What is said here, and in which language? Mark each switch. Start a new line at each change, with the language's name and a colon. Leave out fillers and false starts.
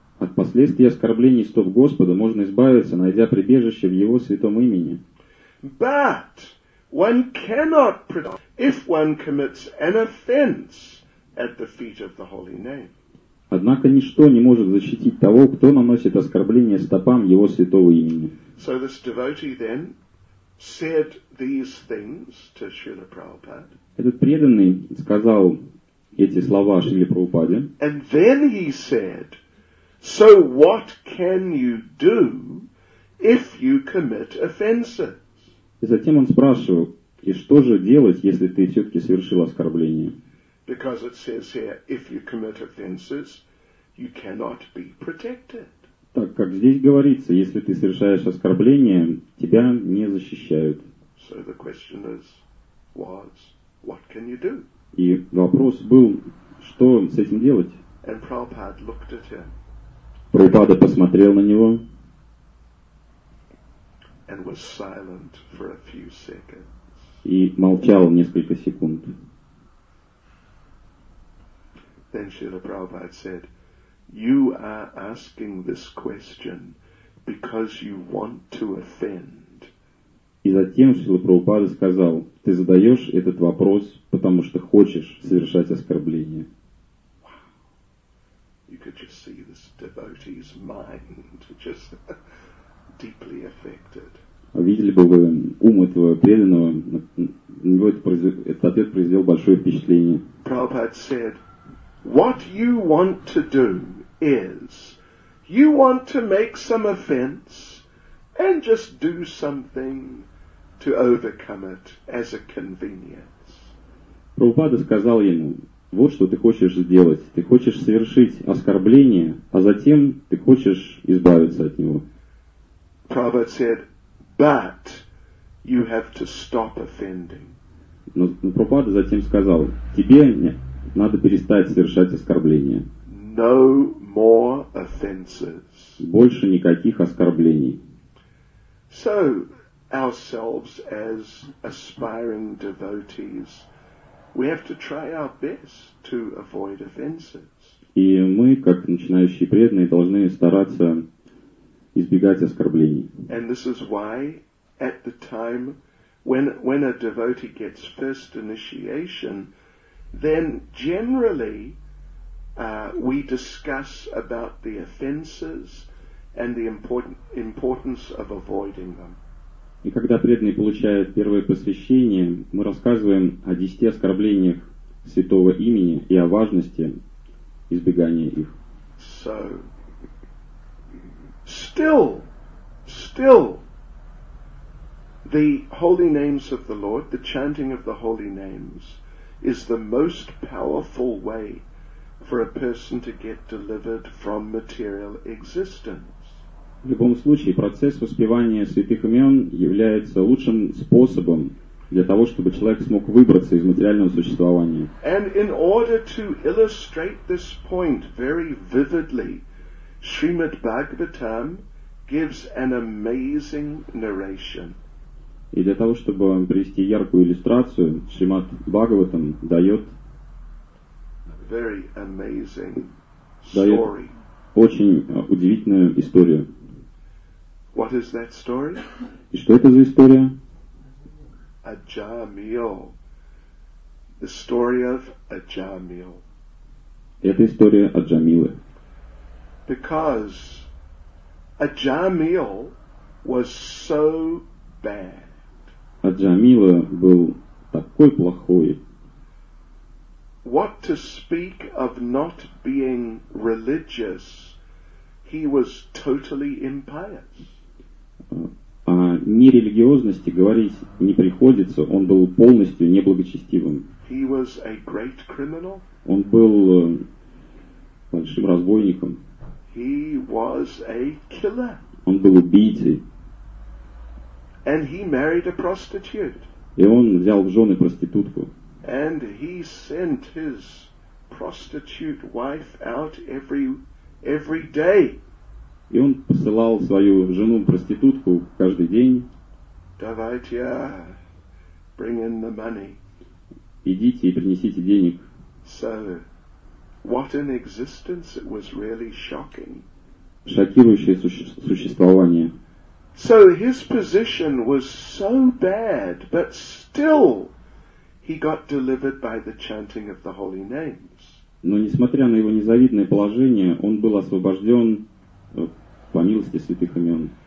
Russian: От последствий оскорблений стоп Господа можно избавиться, найдя прибежище в его святом имени.
English: But one cannot if one commits an offense at the feet of the holy name.
Russian: Однако ничто не может защитить того, кто наносит оскорбление стопам его святого имени.
English: So this devotee then said these things to Srila Prabhupada.
Russian: Этот преданный сказал эти слова Шриле Прабхупаде.
English: And then he said, so what can you do if you commit offenses?
Russian: И затем он спрашивал, и что же делать, если ты все-таки совершил оскорбление?
English: Because it says here, if you commit offenses, you cannot be protected.
Russian: Так как здесь говорится, если ты совершаешь оскорбление, тебя не защищают.
English: So the question is, was, what can you do?
Russian: И вопрос был, что с этим делать?
English: And Prabhupada looked at him.
Russian: Прабхупада посмотрел на него.
English: And was silent for a few seconds.
Russian: И молчал несколько секунд.
English: Then Srila Prabhupada said, you are asking this question because you want to offend.
Russian: И затем Шрила Прабхупада сказал, ты задаешь этот вопрос, потому что хочешь совершать оскорбление.
English: You could just see this devotee's mind just deeply affected.
Russian: Видели бы вы ум этого преданного, на него этот ответ произвел большое впечатление.
English: Prabhupada said, what you want to do is, you want to make some offense and just do something to overcome it as a convenience.
Russian: Прабхупада сказал ему, вот что ты хочешь сделать. Ты хочешь совершить оскорбление, а затем ты хочешь избавиться от него.
English: Prabhupada said, but you have to stop offending.
Russian: Но Прабхупада затем сказал, тебе нет. Надо перестать совершать оскорбления.
English: No more offenses.
Russian: Больше никаких оскорблений.
English: So ourselves as aspiring devotees, we have to try our best to avoid offenses.
Russian: И мы, как начинающие преданные, должны стараться избегать оскорблений.
English: And this is why at the time when a devotee gets first initiation, then generally we discuss about the offenses and the importance of avoiding them.
Russian: И когда преданный получает первое посвящение, мы рассказываем о 10 оскорблениях святого имени и о важности избегания их.
English: So still the holy names of the Lord, the chanting of the holy names is the most powerful way for a person to get delivered from material existence.
Russian: В любом случае, процесс воспевания святых имен является лучшим способом для того, чтобы человек смог выбраться из материального существования.
English: And in order to illustrate this point very vividly, Srimad Bhagavatam gives an amazing narration.
Russian: И для того, чтобы привести яркую иллюстрацию, Шримад Бхагаватам дает
English: very amazing story.
Russian: Очень удивительную историю.
English: What is that story?
Russian: И что это за история?
English: Аджамил. The story of Аджамил.
Russian: Это история Аджамилы.
English: Because Аджамил was so bad.
Russian: Аджамила был такой плохой.
English: What to speak of not being religious, he was totally impious.
Russian: А нерелигиозности говорить не приходится, он был полностью неблагочестивым.
English: He was a great criminal.
Russian: Он был большим разбойником.
English: He was a killer.
Russian: Он был убийцей.
English: And he married a prostitute.
Russian: И он взял в жены проститутку.
English: And he sent his prostitute wife out every day.
Russian: И он посылал свою жену-проститутку каждый день. Давайте,
English: bring in the money.
Russian: Идите и принесите денег.
English: So, what an existence it was, really shocking.
Russian: Шокирующее существование.
English: So his position was so bad, but still he got delivered by the chanting of the holy names.
Russian: Но несмотря на его незавидное положение, он был освобожден по милости святых имен.